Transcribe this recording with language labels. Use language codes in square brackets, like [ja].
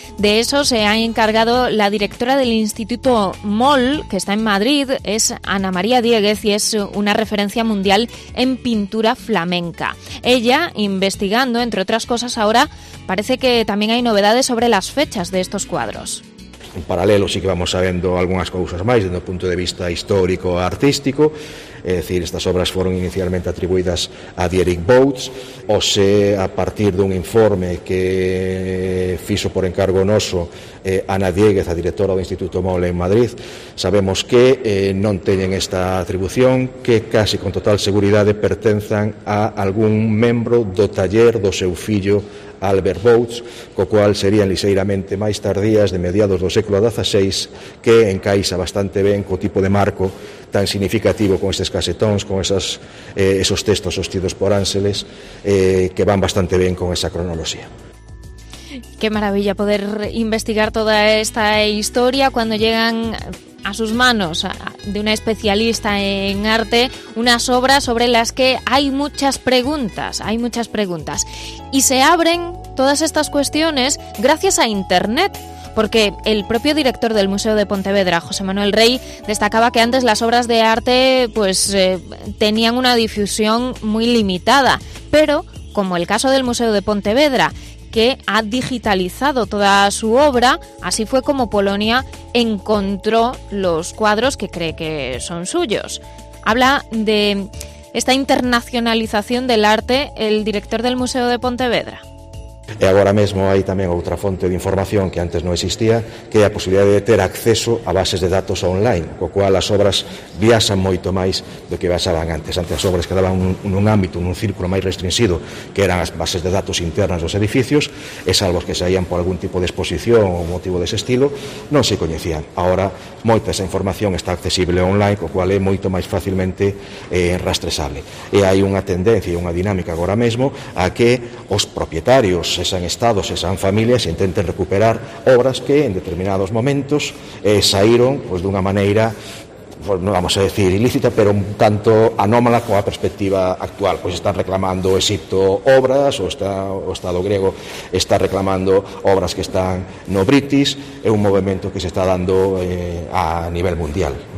[es] De eso se ha encargado la directora del Instituto MOL, que está en Madrid, es Ana María Dieguez y es una referencia mundial en pintura flamenca. Ella, investigando, entre otras cosas, ahora parece que también hay novedades sobre las fechas de estos cuadros. [gl] En paralelo sí que vamos sabendo algunhas cousas máis desde o punto de vista histórico e artístico. É dicir, estas obras foron inicialmente atribuídas a Dierick Bouts, ou se a partir dun informe que fixo por encargo noso Ana Dieguez, a directora do Instituto MOL en Madrid, sabemos que non teñen esta atribución, que casi con total seguridade pertenzan a algún membro do taller do seu fillo Albert Bouts, co cual serían lixeiramente máis tardías de mediados do século XVI, que encaixa bastante ben co tipo de marco tan significativo con estes casetóns, con esas, esos textos sostidos por ánseles, que van bastante ben con esa cronoloxía. Qué maravilla poder investigar toda esta historia cuando llegan a sus manos de una especialista en arte unas obras sobre las que hay muchas preguntas, hay muchas preguntas. Y se abren todas estas cuestiones gracias a Internet, porque el propio director del Museo de Pontevedra, José Manuel Rey, destacaba que antes las obras de arte pues tenían una difusión muy limitada, pero como el caso del Museo de Pontevedra, que ha digitalizado toda su obra, así fue como Polonia encontró los cuadros que cree que son suyos. Habla de esta internacionalización del arte el director del Museo de Pontevedra. E agora mesmo hai tamén outra fonte de información que antes non existía, que é a posibilidade de ter acceso a bases de datos online, co cual as obras viaxan moito máis do que viaxaban antes. Antes as obras quedaban nun ámbito, nun círculo máis restringido, que eran as bases de datos internas dos edificios, e salvo que saían por algún tipo de exposición ou motivo dese estilo, non se coñecían. Agora, moita esa información está accesible online, co cual é moito máis fácilmente rastresable. E hai unha tendencia e unha dinámica agora mesmo a que os propietarios, sexan estados, sexan familias, intenten recuperar obras que en determinados momentos saíron pois, dunha maneira [es] pues, no vamos a decir ilícita, pero un tanto anómala con la perspectiva actual. Pues están reclamando Egipto obras, [gl] o Estado griego [es] está reclamando obras que están no britis. Es un movimiento que se está dando a nivel mundial.